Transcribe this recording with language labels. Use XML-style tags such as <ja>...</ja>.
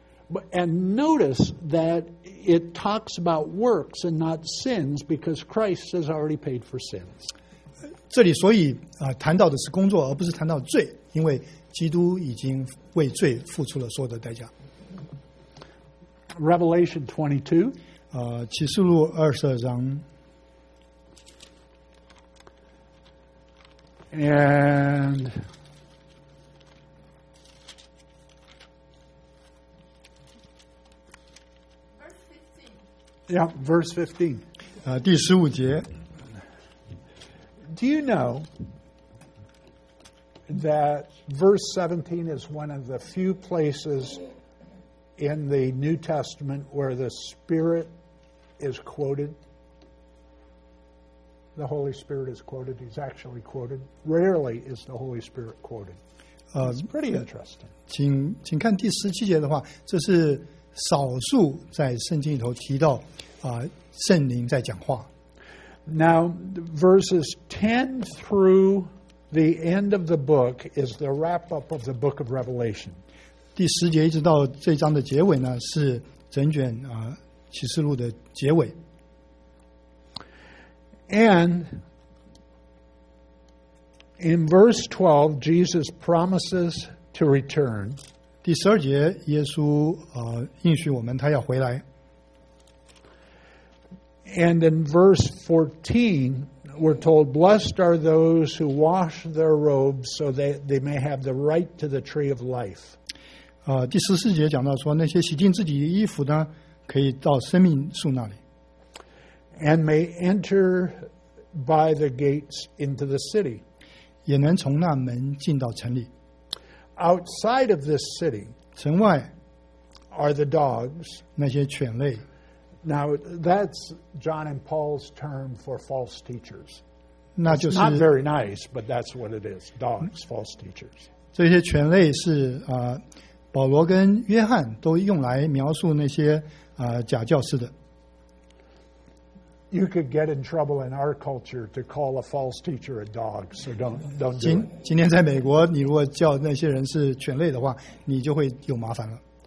<en>But, and notice that it talks about works and not sins because Christ has already paid for sins.</en> <zh>这里所以谈到的是工作，而不是谈到罪，因为基督已经为罪付出了所有的代价。</zh> <en>Revelation 22.</en> <zh>启示录二十二章</zh> <en>，and verse 15,</en> <zh>第十五节。</zh> <en>Do you know that verse 17 is one of the few places in the New Testament where the Spirit is quoted, the Holy Spirit is quoted, he's actually quoted. Rarely is the Holy Spirit quoted. It's pretty interesting.</en> <zh>请看第十七节的话，这是少数在圣经里头提到圣灵在讲话。</zh> <en>Now, verses 10 through the end of the book is the wrap-up of the book of Revelation.</en> <zh>第十节一直到这章的结尾呢，是整卷启示录的结尾。</zh> <en>And in verse 12, Jesus promises to return.</en> <zh>第十二节，耶稣应许我们他要回来。</zh> <en>And in verse 14, we're told, blessed are those who wash their robes so that they may have the right to the tree of life.</en> <zh>第十四节讲到说，那些洗净自己的衣服呢，可以到生命树那里。</zh> <en>And may enter by the gates into the city.</en> <zh>也能从那门进到城里。</zh> <en>Outside of this city,</en> <zh>城外</zh> <en>are the dogs,</en> <zh>那些犬类。</zh> <en>Now that's John and Paul's term for false teachers.</en> <zh>那就是</zh> <en>It's not very nice, but that's what it is. Dogs, false teachers.</en> <zh>这些犬类是保罗跟约翰都用来描述那些假教师的。</zh> <en>You could get in trouble in our culture to call a false teacher a dog, so don't do it.</en> <zh>今天在美国，你如果叫那些人是犬类的话，你就会有麻烦了。</zh>